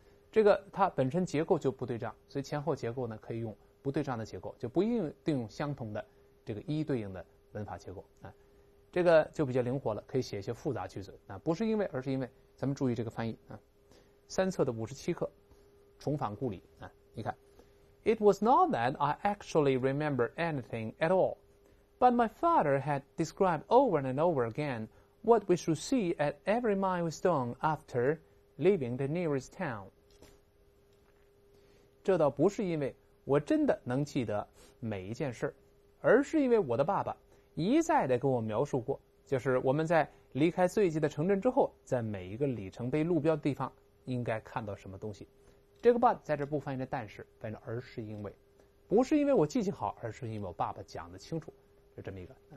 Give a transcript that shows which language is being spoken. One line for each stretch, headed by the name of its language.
Chinese: 这个它本身结构就不对仗，所以前后结构呢可以用不对仗的结构，就不一定用相同的这个一对应的文法结构。这个就比较灵活了，可以写一些复杂句子。不是因为，而是因为。咱们注意这个翻译啊，三册的57课，重返故里啊。你看
English: ，It was not that I actually remember anything at all, but my father had described over and over again. What we should see at every milestone after leaving the nearest town.
Chinese: 这倒不是因为我真的能记得每一件事，而是因为我的爸爸一再地跟我描述过，就是我们在离开最近的城镇之后，在每一个里程碑路标的地方应该看到什么东西。这个 but 在这不翻译成但是，翻译成而是因为，不是因为我记性好，而是因为我爸爸讲得清楚，是这么一个。